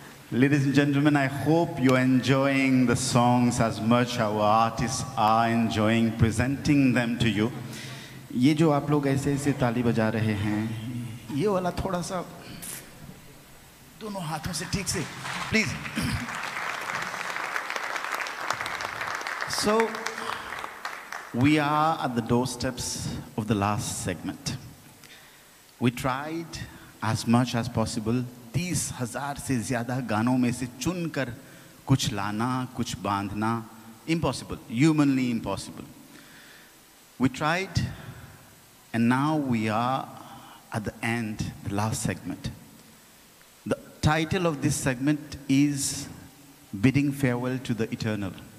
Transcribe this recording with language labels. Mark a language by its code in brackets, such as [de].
[en] Ladies and gentlemen, I hope you're enjoying the songs as much as our artists are enjoying presenting them to you. [hi] ये जो आप लोग ऐसे ऐसे ताली बजा रहे हैं ये वाला थोड़ा सा दोनों हाथों से ठीक से please [en] so we are at the doorsteps of the last segment we tried as much as possible [hi] 30,000 से ज्यादा गानों में से चुनकर कुछ लाना कुछ बांधना [en] Impossible humanly impossible we tried And now we are at the end, the last segment. The title of this segment is Bidding Farewell to the Eternal.